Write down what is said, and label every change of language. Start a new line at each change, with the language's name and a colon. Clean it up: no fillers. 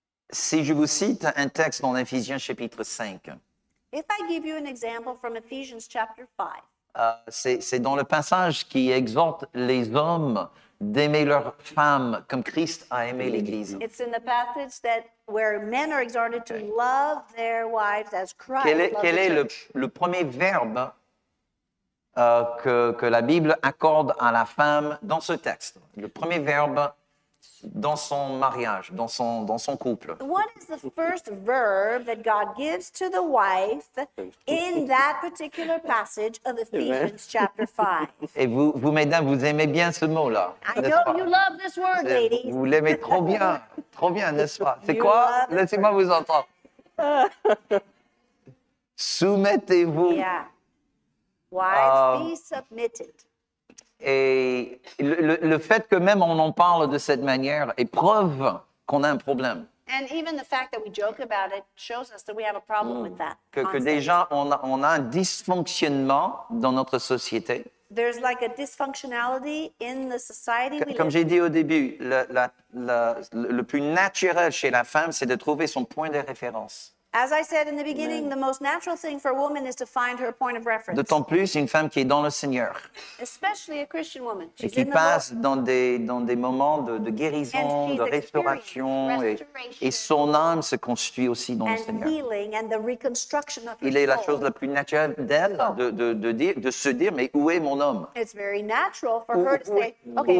French: Si je vous cite un texte dans Ephésiens chapitre 5.
English: If I give you an example from Ephesians chapter 5.
French: C'est dans le passage qui exhorte les hommes d'aimer leur femme comme Christ a aimé l'Église.
English: It's in the passage where men are exhorted to love their wives as Christ loved the church.
French: Quel est le premier verbe que la Bible accorde à la femme dans ce texte? Le premier verbe dans son mariage, dans son couple.
English: What is the first verb that God gives to the wife in that particular passage of Ephesians chapter 5?
French: Et vous, mesdames, vous aimez bien ce mot-là, n'est-ce pas?
English: You love this word, ladies.
French: Vous l'aimez trop bien, n'est-ce pas? C'est quoi? Laissez-moi vous entendre. Soumettez-vous.
English: Yeah. Wives, be submitted.
French: Et le fait que même on en parle de cette manière est preuve qu'on a un problème.
English: And even the fact that we joke about it shows us that we have a problem with that.
French: Que déjà on a un dysfonctionnement dans notre société.
English: There's like a dysfunctionality in the society.
French: Comme j'ai dit au début, le plus naturel chez la femme, c'est de trouver son point de référence.
English: As I said in the beginning, the most natural thing for a woman is to find her point of reference.
French: D'autant plus une femme qui est dans le Seigneur.
English: Especially a Christian woman.
French: Et qui passe dans des moments de guérison, de restauration, et son âme se construit aussi dans le Seigneur.
English: And healing and the reconstruction of her soul.
French: Il est la chose la plus naturelle d'elle de se dire, mais où est mon homme?
English: It's very natural for her to say, okay,